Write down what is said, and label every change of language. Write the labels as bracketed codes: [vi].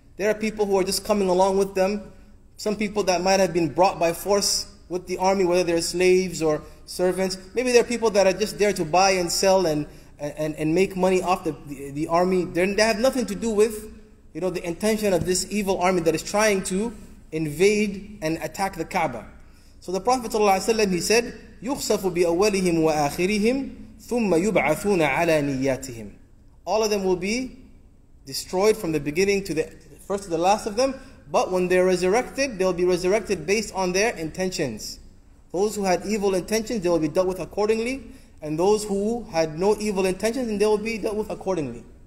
[en] There are people who are just coming along with them, some people that might have been brought by force with the army, whether they're slaves or servants. Maybe there are people that are just there to buy and sell and make money off the army. They have nothing to do with, you know, the intention of this evil army that is trying to invade and attack the Kaaba. So the Prophet ﷺ, he said, [ar] يُخْسَفُ بِأَوَّلِهِمْ وَآخِرِهِمْ ثُمَّ يُبْعَثُونَ عَلَى نِيَّاتِهِمْ. [en] All of them will be destroyed from the beginning to the first to the last of them. But when they're resurrected, they'll be resurrected based on their intentions. Those who had evil intentions, they will be dealt with accordingly. And those who had no evil intentions, then they will be dealt with accordingly.